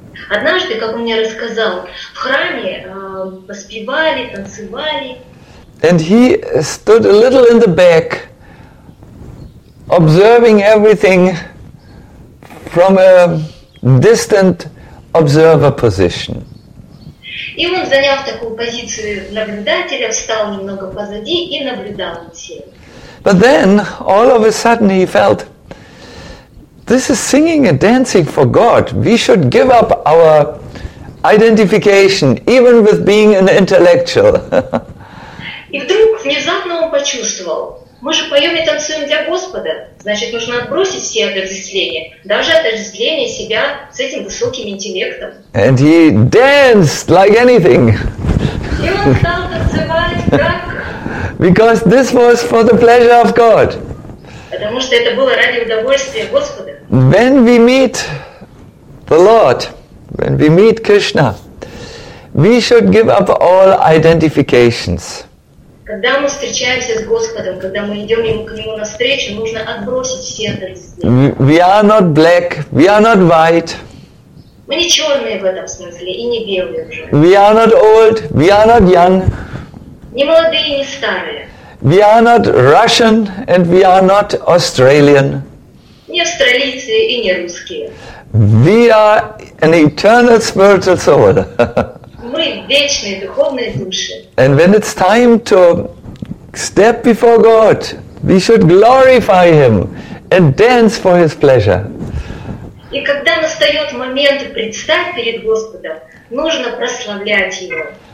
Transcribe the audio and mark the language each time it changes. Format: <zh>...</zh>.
<ru>Однажды, как он мне рассказал, в храме поспевали, танцевали.</ru> <en>And he stood a little in the back, observing everything from a distant observer position.</en> <ru>И он, заняв такую позицию наблюдателя, встал немного позади и наблюдал все.</ru> <en>But then, all of a sudden, he felt, this is singing and dancing for God. We should give up our identification, even with being an intellectual.</en> <ru>И вдруг внезапно он почувствовал, мы же поем и танцуем для Господа. Значит, нужно отбросить все отождествления, даже отождествление себя с этим высоким интеллектом.</ru> <en>And he danced like anything.</en> <ru>И он стал танцевать как.</ru> <en>Because this was for the pleasure of God.</en> <ru>Потому что это было ради удовольствия Господа.</ru> <en>When we meet the Lord, when we meet Krishna, we should give up all identifications.</en> <ru>Когда мы встречаемся с Господом, когда мы идем к Нему навстречу, нужно отбросить все отождествления.</ru> <en>We are not black, we are not white.</en> <ru>Мы не черные в этом смысле и не белые уже.</ru> <en>We are not old, we are not young.</en> <ru>Не молодые, не старые.</ru> <en>We are not Russian and we are not Australian.</en> <ru>Не австралийцы и не русские.</ru> <en>We are an eternal spiritual soul.</en> <ru>Мы вечные духовные души.</ru> <en>And when it's time to step before God, we should glorify Him and dance for His pleasure.</en> <ru>И когда настает момент предстать перед Господом, нужно прославлять Его.</ru>